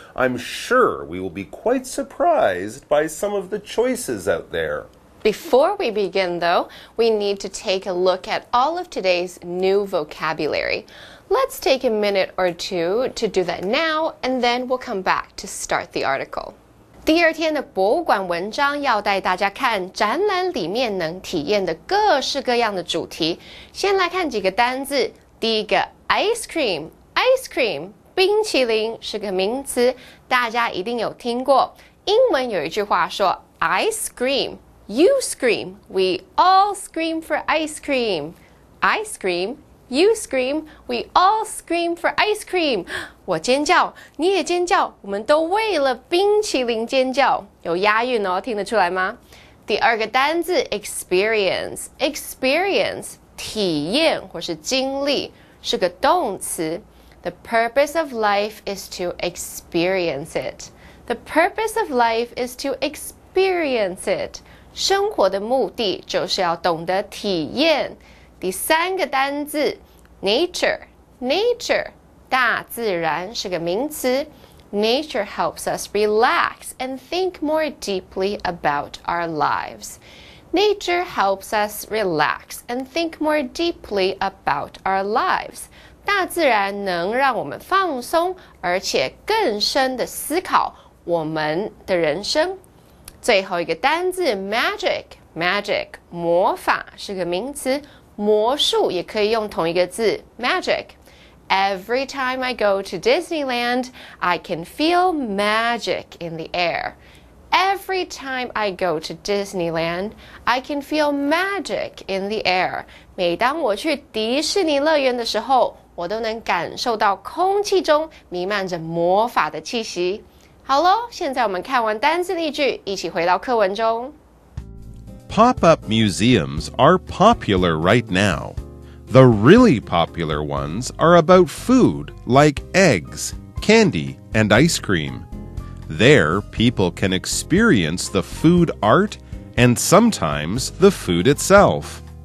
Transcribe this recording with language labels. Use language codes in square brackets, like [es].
[en] I'm sure we will be quite surprised by some of the choices out there. Before we begin, though, we need to take a look at all of today's new vocabulary. Let's take a minute or two to do that now, and then we'll come back to start the article. [zh] 第二天的博物馆文章要带大家看展览里面能体验的各式各样的主题。先来看几个单字。第一个 ,ice cream, ice cream, 冰淇淋是个名词大家一定有听过。英文有一句话说 [en] ,ice cream, you scream, we all scream for ice cream, ice cream,You scream, we all scream for ice cream. [zh] 我尖叫，你也尖叫，我们都为了冰淇淋尖叫。有押韵哦，听得出来吗？第二个单字 experience, experience, 体验或是经历，是个动词。 [en] The purpose of life is to experience it. The purpose of life is to experience it. [zh] 生活的目的就是要懂得体验。第三个单字 ,nature, nature, 大自然是个名词。 [en] Nature helps us relax and think more deeply about our lives. Nature helps us relax and think more deeply about our lives. [zh] 大自然能让我们放松而且更深地思考我们的人生。最后一个单字 ,magic, magic, 魔法是个名词。魔术也可以用同一个字 [en] ,magic. Every time I go to Disneyland, I can feel magic in the air. Every time I go to Disneyland, I can feel magic in the air. [zh] 每当我去迪士尼乐园的时候，我都能感受到空气中弥漫着魔法的气息。好咯，现在我们看完单字例句，一起回到课文中。 [en] Pop-up museums are popular right now. The really popular ones are about food like eggs, candy, and ice cream. There, people can experience the food art and sometimes the food itself.